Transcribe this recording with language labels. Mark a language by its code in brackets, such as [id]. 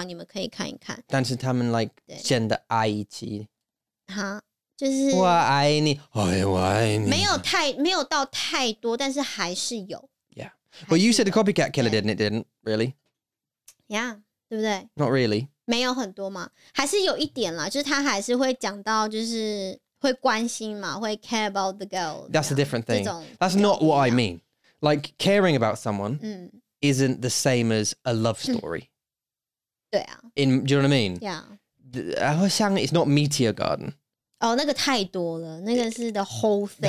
[zh] 我现在才看第一集而已,所以还没有看到很多,但是就是大家都很喜欢里面的演员和女演员,他们都很有名。所以如果你们想要看一些中文的电视剧的话,你们可以看一看。但是他们 like 真的爱一起。就是我爱你,没有到太多,但是还是有。 [en] Yeah. Well, you said the copycat killer didn't, it didn't, really? [zh] Yeah, 对不对? [en] Not really. [zh] 没有很多嘛, 还是有一点啦,就是他还是会讲到,就是会关心嘛, 会 [en] care about the girl. That's a different thing. That's not what I mean. Like, caring about someone isn't the same as a love story. [zh] 对啊。 [en] In, do you know what I mean? Yeah. 好像, it's not Meteor Garden. [zh] 哦,那个太多了,那个是 [en] the whole thing.